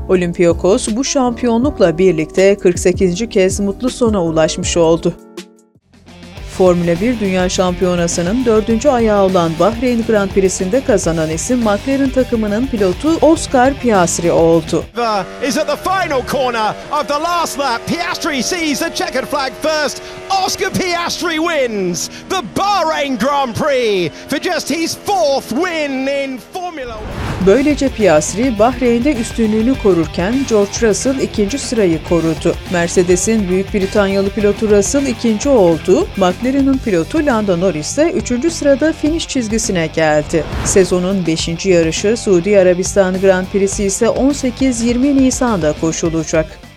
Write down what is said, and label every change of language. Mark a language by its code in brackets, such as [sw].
[tr] Olympiakos bu şampiyonlukla birlikte 48. kez mutlu sona ulaşmış oldu. Formula 1 Dünya Şampiyonası'nın 4. ayağı olan Bahreyn Grand Prix'sinde kazanan isim McLaren takımının pilotu Oscar Piastri oldu. [en] Is at the final corner of the last lap. Piastri sees the checkered flag first. Oscar Piastri wins the Bahrain Grand Prix for just his fourth win in Formula 1. [tr] Böylece Piastri Bahreyn'de üstünlüğünü korurken George Russell ikinci sırayı korudu. Mercedes'in Büyük Britanyalı pilotu Russell ikinci oldu. McLaren'in pilotu Lando Norris ise 3. sırada finish çizgisine geldi. Sezonun 5. yarışı Suudi Arabistan Grand Prix'si ise 18-20 Nisan'da koşulacak.